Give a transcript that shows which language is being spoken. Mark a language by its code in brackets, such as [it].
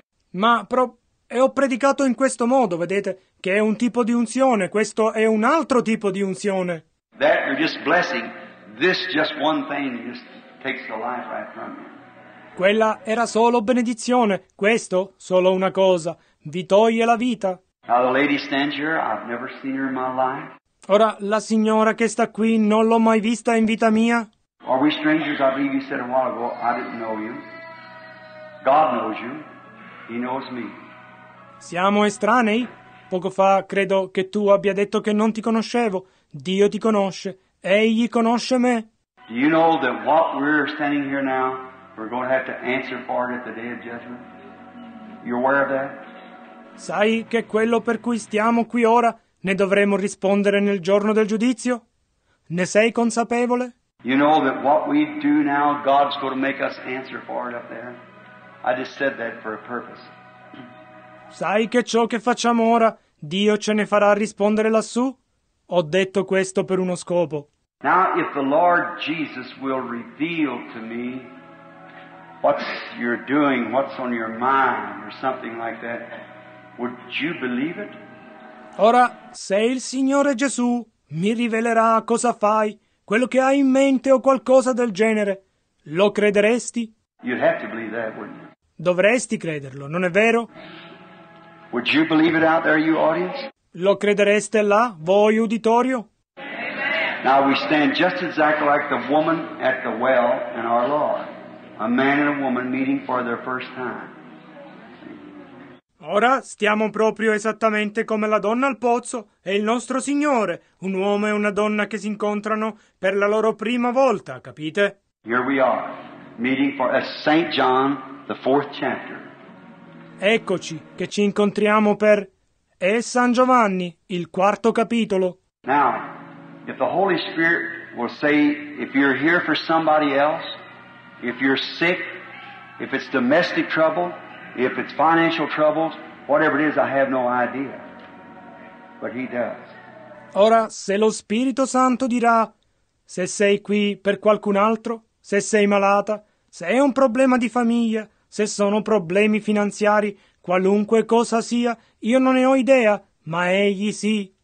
[it] Ma ho predicato in questo modo, vedete, che è un tipo di unzione. Questo è un altro tipo di unzione. [en] That you're just blessing. This just one thing just takes the life right from you. [it] Quella era solo benedizione. Questo, solo una cosa, vi toglie la vita. [en] Now the lady stands here, I've never seen her in my life. [it] Ora, la signora che sta qui, non l'ho mai vista in vita mia. [en] Are we strangers? I believe you said a while ago, I didn't know you. God knows you, He knows me. [it] Siamo estranei? Poco fa credo che tu abbia detto che non ti conoscevo. Dio ti conosce, Egli conosce me. [en] Do you know that what we're standing here now, we're going to have to answer for it at the day of judgment? You're aware of that? [it] Sai che quello per cui stiamo qui ora ne dovremo rispondere nel giorno del giudizio? Ne sei consapevole? [en] You know that what we do now, God's going to make us answer for it up there. I just said that for a purpose. [it] Sai che ciò che facciamo ora, Dio ce ne farà rispondere lassù? Ho detto questo per uno scopo. [en] Now if the Lord Jesus will reveal to me what you're doing, what's on your mind or something like that, would you believe it? [it] Ora, se il Signore Gesù mi rivelerà cosa fai, quello che hai in mente o qualcosa del genere, lo crederesti? [en] You'd have to believe that, wouldn't you? [it] Dovresti crederlo, non è vero? [en] Would you believe it out there, you audience? [it] Lo credereste là, voi uditorio? [en] Now we stand just exactly like the woman at the well in our Lord, a man and a woman meeting for their first time. [it] Ora stiamo proprio esattamente come la donna al pozzo e il nostro Signore, un uomo e una donna che si incontrano per la loro prima volta, capite? [en] Here we are, meeting for St. John, the fourth chapter. [it] Eccoci, che ci incontriamo per San Giovanni, il quarto capitolo. [en] Now, if the Holy Spirit will say, if you're here for somebody else, if you're sick, if it's domestic trouble, if it's financial troubles, whatever it is, I have no idea. But He does. [it] Ora, se lo Spirito Santo dirà, se sei qui per qualcun altro, se sei malata, se è un problema di famiglia, se sono problemi finanziari, qualunque cosa sia, io non ne ho idea, ma Egli sì.